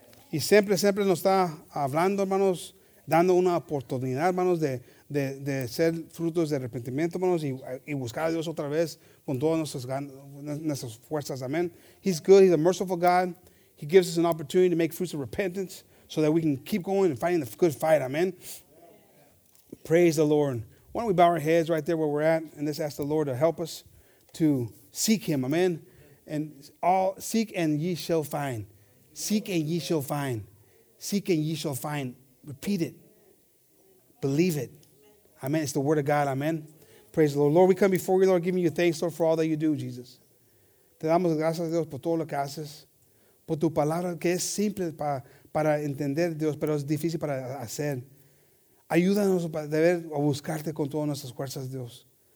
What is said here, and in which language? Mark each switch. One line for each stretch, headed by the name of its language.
Spanish: Y siempre, siempre nos está hablando, hermanos, dando una oportunidad, hermanos, de ser frutos de arrepentimiento, hermanos, y buscar a Dios otra vez con todas nuestras fuerzas.
English: Amen. He's good. He's a merciful God. He gives us an opportunity to make fruits of repentance so that we can keep going and fighting the good fight. Amen. Praise the Lord. Why don't we bow our heads right there where we're at and just ask the Lord to help us to seek him. Amen. And all seek and ye shall find. Seek and ye shall find. Seek and ye shall find. Repeat it. Believe it. Amen. It's the word of God. Amen. Praise the Lord. Lord, we come before you, Lord, giving you thanks, Lord, for all that you do, Jesus.
Spanish: Te damos gracias a Dios por todo lo que haces. Por tu palabra que es simple para entender, Dios, pero es difícil para hacer. Ayúdanos a buscarte con todas nuestras fuerzas, Dios.